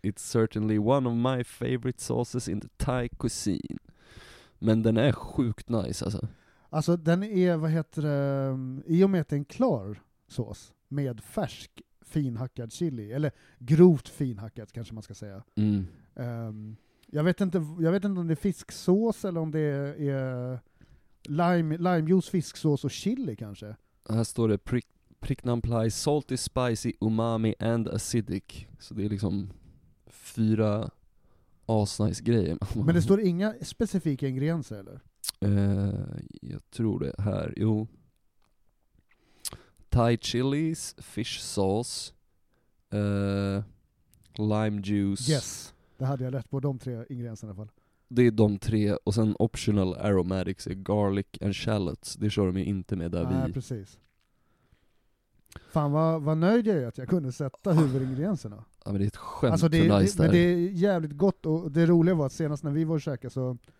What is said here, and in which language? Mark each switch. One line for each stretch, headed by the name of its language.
English: It's certainly one of my favorite sauces in the Thai cuisine.
Swedish: Men den är sjukt nice alltså. Alltså den är, vad heter det, i och med att det är en klar sås med färsk finhackad chili, eller grovt finhackad kanske man ska säga. Mm. Jag vet inte om det är fisksås eller om det är limejuice, fisksås och chili kanske. Här står det Pricknampla,
English: salty, spicy, umami and acidic.
Swedish: Så det är liksom fyra asnice grejer. Men det står inga specifika ingredienser eller? Jag tror det här. Jo.
English: Thai chilies, fish sauce, lime juice.
Swedish: Yes, det hade jag lärt på, de tre ingredienserna i alla fall. Det är de tre, och sen
English: optional aromatics
Swedish: är
English: garlic and shallots.
Swedish: Det kör de ju inte med där. Nej, vi. Nej, precis. Fan, vad nöjd jag är att jag kunde sätta huvudingredienserna. Ja, men det är ett skämt. Alltså det är, nice det, men det är jävligt gott, och det roliga var att senast när vi var och käkade så...